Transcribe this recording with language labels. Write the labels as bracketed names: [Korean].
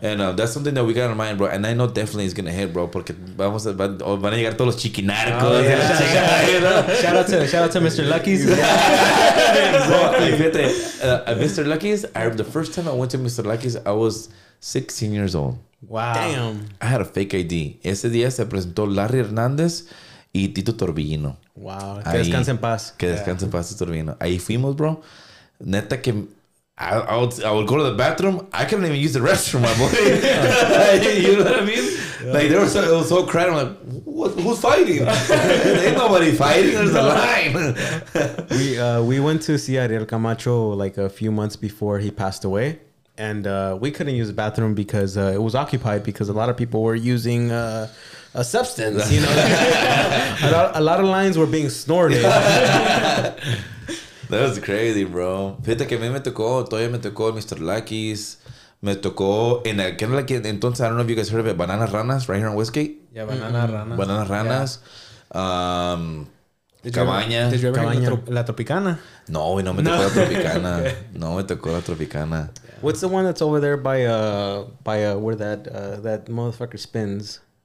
[English] And that's something that we got in mind, bro, and I know definitely it's gonna hit, bro, [Spanish] porque van a llegar todos los chiquinarcos. [English] Oh, yeah. shout out to Mr. Lucky's. Mr. Lucky's, the first time I went to Mr. Lucky's, I was 16 years old. Wow. Damn. I had a fake ID. [Spanish] Ese día se presentó Larry Hernández y Tito Torbellino. Wow. Que descanse en paz. Que descanse en paz, Torbellino. Ahí fuimos, bro. Neta que... [English] I would go to the bathroom. I couldn't even use the restroom, my boy. You know what I mean? Yeah. Like, it was so crowded. I'm like, who's fighting? Ain't nobody fighting. There's a line. we went to see Ariel Camacho like a few months before he passed away. And we couldn't use the bathroom because it was occupied because a lot of people were using a substance, you know. a lot of lines were being snorted. That was crazy, bro. [Spanish] Fíjate que a mí me tocó, todavía me tocó Mr. Lucky's. Me tocó en aquel, [English] like, entonces, I don't know if you guys heard of it, Banana Ranas, right here on Westgate. Yeah, Banana Ranas. Banana Ranas. Yeah. Cabaña. [Spanish] ¿Te llevó la Tropicana? No, güey, no me tocó la Tropicana. No me tocó la Tropicana. [English] What's the one that's over there by where that that motherfucker spins?